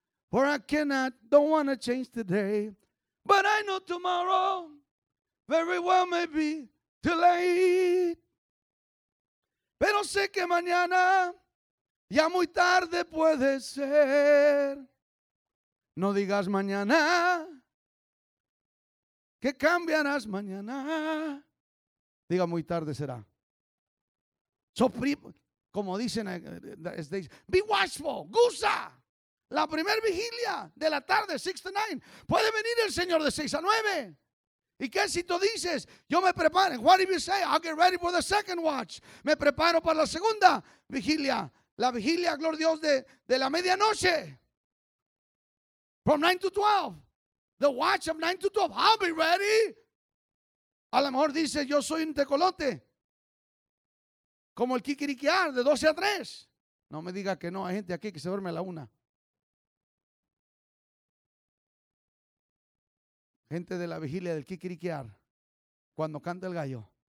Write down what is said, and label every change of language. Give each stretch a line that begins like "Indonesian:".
English: For I cannot, don't want to change today. But I know tomorrow very well may be too late.
Spanish: Pero sé que mañana ya muy tarde puede ser. No digas mañana, que cambiarás mañana. Diga muy tarde será.
English: So,
Spanish: como dicen,
English: be watchful, gusa.
Spanish: La primera vigilia de la tarde, 6 to 9. Puede venir el Señor de 6 a 9. ¿Y qué si tú dices? Yo me preparo.
English: What if you say? I'll get ready for the second watch.
Spanish: Me preparo para la segunda vigilia. La vigilia, gloria a Dios, de la medianoche.
English: From 9 to 12. The watch of 9 to 12. I'll be ready.
Spanish: A lo mejor dice, yo soy un tecolote, como el kikiriquear, de 12 a 3. No me diga que no, hay gente aquí que se duerme a la 1. Gente de la vigilia del kikiriquear, cuando canta el gallo.